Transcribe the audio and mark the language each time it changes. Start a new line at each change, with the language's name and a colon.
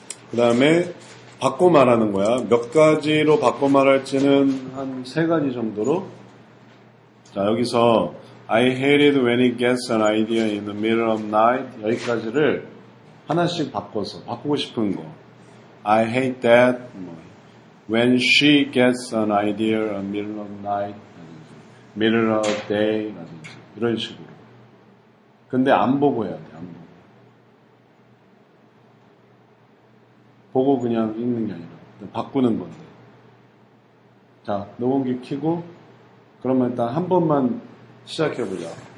Korean: 그 다음에 바꿔 말하는 거야. 몇 가지로 바꿔 말할지는 한 세 가지 정도로. 자, 여기서
English: I hate it when it gets an idea in the middle of night.
Korean: 여기까지를 하나씩 바꿔서 바꾸고 싶은 거.
English: I hate that when she gets an idea in the middle of night. middle of day.
Korean: 라든지 이런 식으로. 근데 안 보고 해야 돼. 안 보고. 보고 그냥 읽는 게 아니라 바꾸는 건데. 자, 녹음기 켜고 그러면 일단 한 번만 시작해보자.